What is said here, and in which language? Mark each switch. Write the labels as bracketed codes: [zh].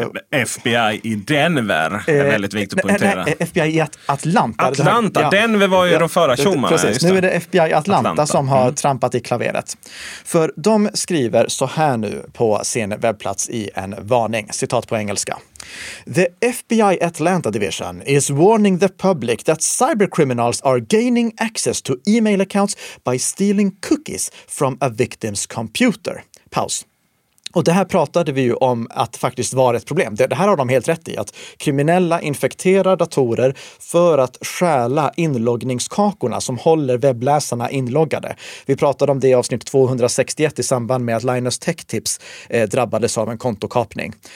[sv] FBI i Denver är väldigt viktigt att poängtera. Nej, FBI i Atlanta. Atlanta, här, ja. Denver var ju de förra tjommarna. Precis, nu är det FBI i Atlanta som har trampat i klaveret. För de skriver så här nu på sin webbplats i en varning, citat på engelska. [en] The FBI Atlanta Division is warning the public that cybercriminals are gaining access to email accounts by stealing cookies from a victim's computer. [sv] Paus. Och det här pratade vi ju om att faktiskt var ett problem. Det här har de helt rätt i, att kriminella infekterar datorer för att stjäla inloggningskakorna som håller webbläsarna inloggade. Vi pratade om det i avsnitt 261 i samband med att Linus Tech Tips drabbades av en kontokapning.